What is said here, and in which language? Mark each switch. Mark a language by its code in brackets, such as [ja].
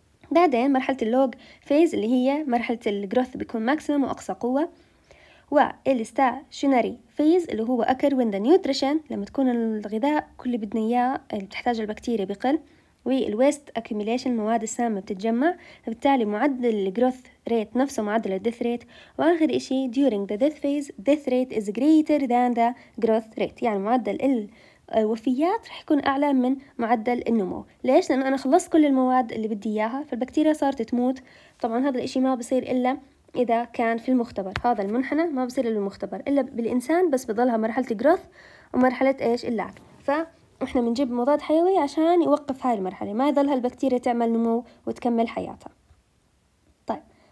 [ar] بعدين مرحله اللوج فيز اللي هي مرحله الجروث، بيكون ماكسيمم واقصى قوه. والاستاشنري فيز اللي هو اكر وين ذا نيوتريشن، لما تكون الغذاء كل اللي بدنا اياه اللي بتحتاجه البكتيريا بقل، والويست اكيميليشن المواد السامه بتتجمع، فبالتالي معدل الجروث ريت نفسه معدل الديث ريت. واخر اشي [en] during the death phase death rate is greater than the growth rate، [ar] يعني معدل الوفيات رح يكون اعلى من معدل النمو. ليش؟ لانه انا خلصت كل المواد اللي بدي اياها، فالبكتيريا صارت تموت. طبعا هذا الاشي ما بصير الا اذا كان في المختبر، هذا المنحنى ما بصير الا بالمختبر، الا بالانسان بس بضلها مرحله growth ومرحله ايش اللاج. ف احنا بنجيب مضاد حيوي عشان يوقف هاي المرحله، ما يظل هالبكتيريا تعمل نمو وتكمل حياتها. طيب